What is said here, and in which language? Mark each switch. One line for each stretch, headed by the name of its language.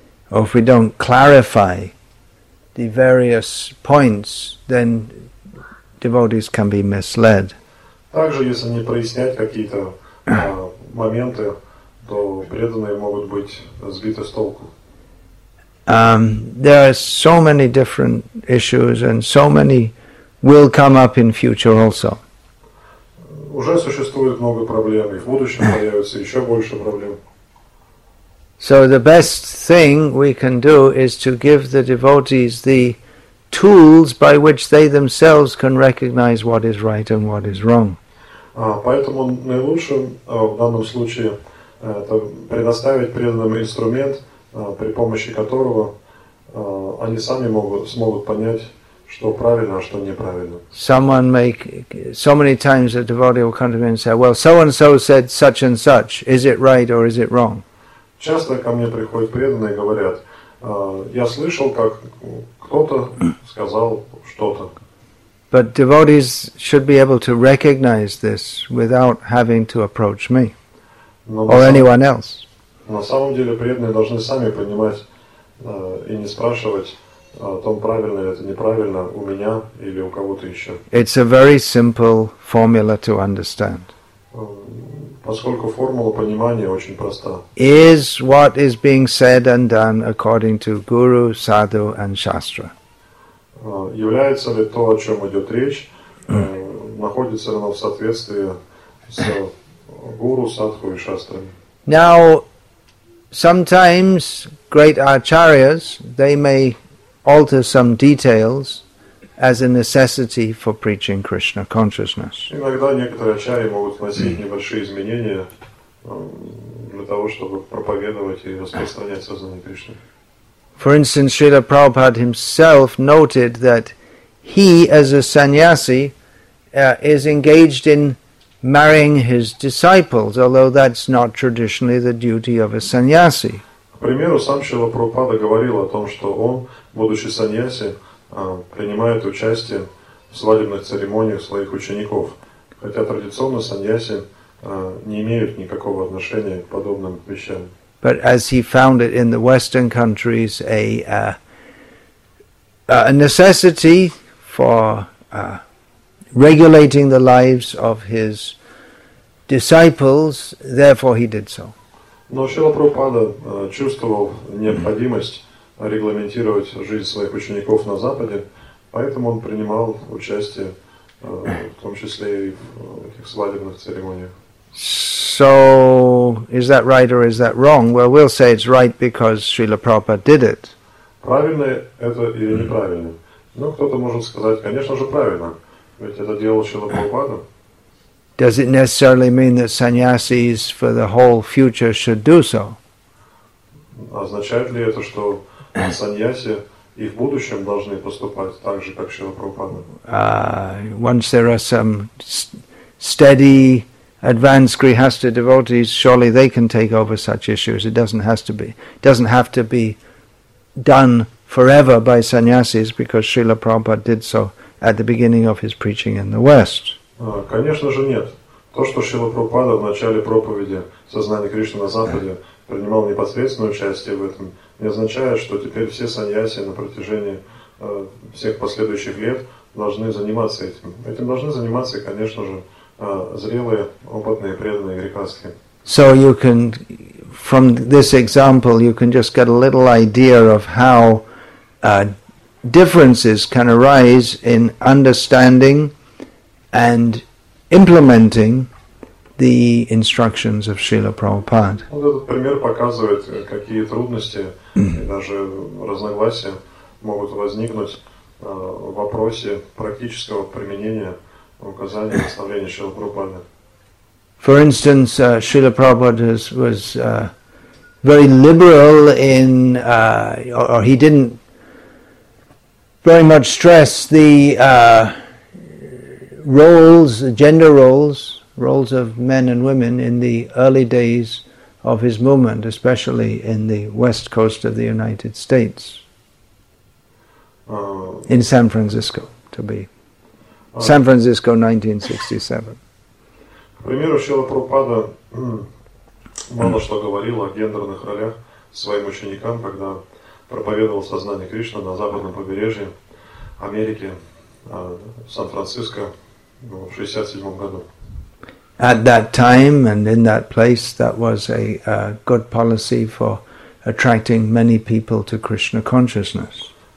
English: Or if we don't clarify the various points, then devotees can be misled.
Russian: Также, если не прояснять какие-то моменты, то преданные могут быть сбиты с толку.
English: There are so many different issues and so many will come up in future also.
Russian: Уже существует много проблем, и в будущем появится еще больше проблем.
English: So the best thing we can do is to give the devotees the tools by which they themselves can recognize what is right and what is wrong.
Russian: Поэтому наилучшим в данном случае это предоставить преданным инструмент, при помощи которого они сами могут, смогут понять, что правильно, а что неправильно.
English: Someone make so many times a devotee will come to me and say, well, so and so said such and such. Is it right or is it wrong?
Russian: Часто ко мне приходят преданные и говорят, я слышал, как кто-то сказал что-то.
English: But devotees should be able to recognize this without having to approach me or anyone else.
Russian: На самом деле преданные должны сами понимать и не спрашивать о том, правильно ли это, неправильно, у меня или у кого-то еще.
English: It's a very simple formula to understand.
Russian: Поскольку формула понимания очень проста.
English: Is what is being said and done according to guru, sadhu and shastra?
Russian: Является ли то, о чем идет речь, находится ли оно в соответствии с гуру, садху и шастрами?
English: Now, sometimes great acharyas, they may alter some details as a necessity for preaching Krishna consciousness.
Russian: Иногда некоторые ачарьи могут вносить небольшие изменения для того, чтобы проповедовать и распространять сознание Кришны.
English: For instance, Srila Prabhupada himself noted that he, as a sannyasi, is engaged in marrying his disciples, although that's not traditionally the duty of a sannyasi.
Russian: К примеру, сам Шрила Прабхупада говорил о том, что он, будучи саньяси, принимает участие в свадебных церемониях своих учеников. Хотя традиционно саньяси не имеют никакого отношения к подобным вещам.
English: But as he found it in the Western countries, a necessity for regulating the lives of his disciples, therefore he did so.
Russian: Но Шрила Прабхупада чувствовал необходимость регламентировать жизнь своих учеников на Западе, поэтому он принимал участие в том числе и в этих свадебных церемониях.
English: So, is that right or is that wrong? Well, we'll say it's right because Srila Prabhupada did it.
Russian: Правильно это или неправильно? Ну, кто-то может сказать, конечно же, правильно, ведь это делал Шрила Прабхупада.
English: Does it necessarily mean that sannyasis for the whole future should do so?
Russian: Означает ли это, что саньяси и в будущем должны поступать так же, как Шрила Прабхупада?
English: Once there are some steady, advanced grihastha devotees, surely they can take over such issues. It doesn't have to be done forever by sannyasis because Srila Prabhupada did so at the beginning of his preaching in the West.
Russian: Конечно же нет. То, что Шрила Прабхупада в начале проповеди «Сознание Кришны на Западе» принимал непосредственное участие в этом, не означает, что теперь все саньяси на протяжении всех последующих лет должны заниматься этим. Этим должны заниматься, конечно же, зрелые, опытные, преданные грихастхи.
English: So you can, from this example, you can just get a little idea of how differences can arise in understanding and implementing the instructions of Srila Prabhupada.
Russian: Вот этот пример показывает, какие трудности и даже разногласия могут возникнуть в вопросе практического применения указаний и наставления Шрила Прабхупады.
English: For instance, Srila Prabhupada was very liberal in, or he didn't very much stress the roles, gender roles, roles of men and women in the early days of his movement, especially in the west coast of the United States, in San Francisco, to be. San Francisco, 1967.
Russian: К примеру, Шрила Прабхупада мало что говорил о гендерных ролях своим ученикам, когда проповедовал сознание Кришны на западном побережье Америки, Сан-Франциско, в 67 году.
English: At that time and in that place, that was a good policy for attracting many people to Krishna consciousness.